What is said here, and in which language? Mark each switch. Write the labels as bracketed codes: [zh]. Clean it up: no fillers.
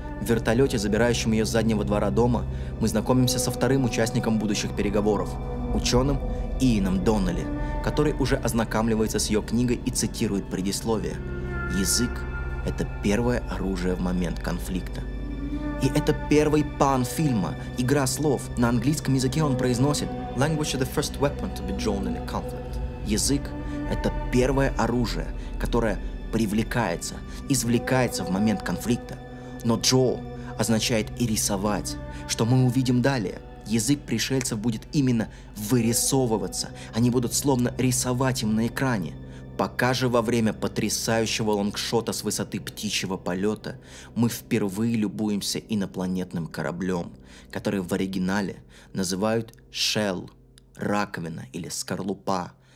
[ru] В вертолете, забирающем ее с заднего двора дома, мы знакомимся со вторым участником будущих переговоров – ученым Иэном Доннелли, который уже ознакомливается с ее книгой и цитирует предисловие. «Язык – это первое оружие в момент конфликта». И это первый пан фильма – игра слов. На английском языке он произносит [en] «Language is the first weapon to be drawn in a conflict». [ru] «Язык – это первое оружие, которое привлекается, извлекается в момент конфликта». Но «draw» означает и рисовать, что мы увидим далее. Язык пришельцев будет именно вырисовываться. Они будут словно рисовать им на экране. Пока же во время потрясающего лонгшота с высоты птичьего полета мы впервые любуемся инопланетным кораблем, который в оригинале называют «shell» — раковина или скорлупа.